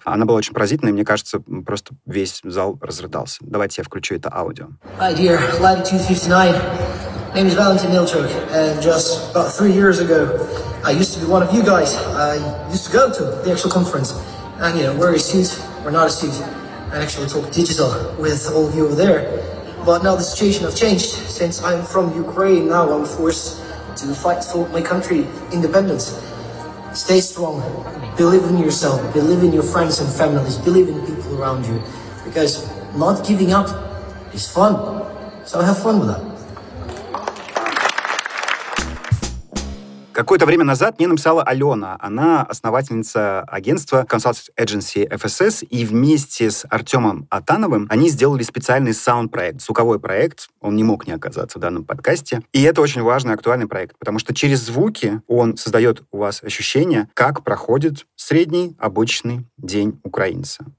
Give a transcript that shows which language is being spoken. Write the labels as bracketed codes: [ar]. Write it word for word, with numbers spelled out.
[ru] Она была очень поразительной, мне кажется, просто весь зал разрыдался. Давайте я включу это аудио. [en] Hi dear, Latitude [ru] пятьдесят девять. [en] My name is Valentin Milchuk, and just about three years ago, I used to be one of you guys. I used to go to the actual conference, and you know, wear a suit, we're not a suit, and actually talk digital with all of you over there. But now the situation has changed. Since I'm from Ukraine, now I'm forced to fight for my country independence. Stay strong. Believe in yourself. Believe in your friends and families. Believe in people around you. Because not giving up is fun. So have fun with that. [ru] Какое-то время назад мне написала Алена. Она основательница агентства Consulting Agency эф эс эс, и вместе с Артемом Атановым они сделали специальный саунд-проект, звуковой проект. Он не мог не оказаться в данном подкасте. И это очень важный, актуальный проект, потому что через звуки он создает у вас ощущение, как проходит средний обычный день украинца.